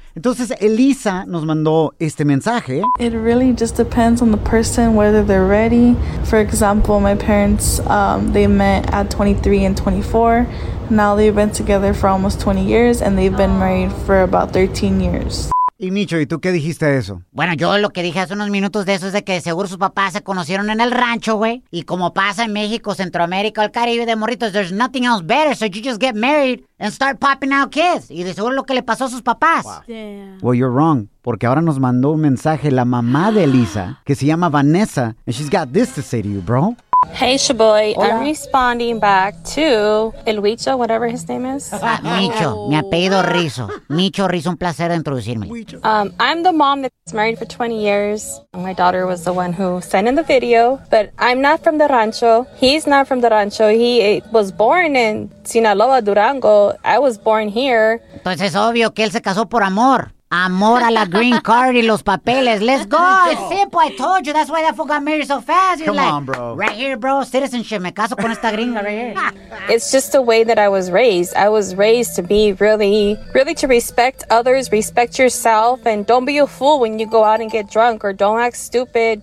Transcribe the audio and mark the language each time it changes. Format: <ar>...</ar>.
<es>Entonces Elisa nos mandó este mensaje.</es> <en>It really just depends on the person, whether they're ready. For example, my parents, they met at 23 and 24. Now they've been together for almost 20 years and they've been married for about 13 years.</en> <es>Y Micho, ¿y tú qué dijiste de eso? Bueno, yo lo que dije hace unos minutos de eso es de que seguro sus papás se conocieron en el rancho, güey.</es> <en>Y como pasa en México, Centroamérica, el Caribe de morritos, there's nothing else better, so you just get married and start popping out kids.</en> <es>Y de seguro lo que le pasó a sus papás.</es> <en>Wow. Damn.</en> <es>Well, you're wrong, porque ahora nos mandó un mensaje la mamá de Elisa, que se llama Vanessa, and she's got this to say to you, bro.</es> <en>Hey, Shaboy, I'm responding back to El Huicho, whatever his name is.</en> <es>Micho, mi apellido Rizzo. Micho Rizzo, un placer introducirme.</es> <en>I'm the mom that's married for 20 years. My daughter was the one who sent in the video, but I'm not from the rancho. He's not from the rancho. He was born in Sinaloa, Durango. I was born here.</en> <es>Entonces es obvio que él se casó por amor.</es> <en>Amor a la green card y los papeles. Let's go. It's simple. I told you. That's why that fool got married so fast. You're like, come on, bro. Right here, bro. Citizenship. Me caso con esta gringa right here. It's just the way that I was raised. I was raised to be really, really to respect others, respect yourself, and don't be a fool when you go out and get drunk, or don't act stupid.</en>